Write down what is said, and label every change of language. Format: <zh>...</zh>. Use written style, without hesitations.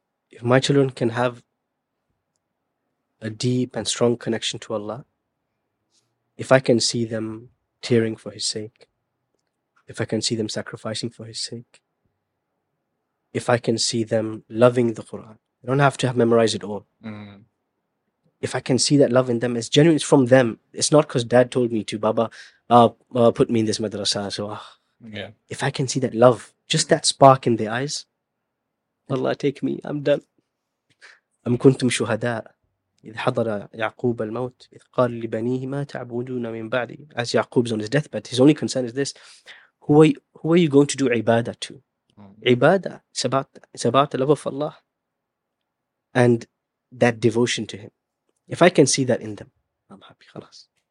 <en>If my children can have a deep and strong connection to Allah, if I can see them tearing for His sake, if I can see them sacrificing for His sake, if I can see them loving the Quran, I don't have to have memorized it all. If I can see that love in them, it's genuine, it's from them. It's not because dad told me to, Baba, put me in this madrasa. So, if I can see that love, just that spark in their eyes, Allah take me, I'm done.</en> <ar>أم كنتم شهداء إذ حضر يعقوب الموت إذ قال لبنيه ما تعبدون من بعدي.</ar> <en>As Yaqub is on his deathbed, his only concern is this: who are you going to do ibadah to? Ibadah, it's about the love of Allah and that devotion to Him. If I can see that in them, I'm happy.</en> <ar>Khalas.</ar>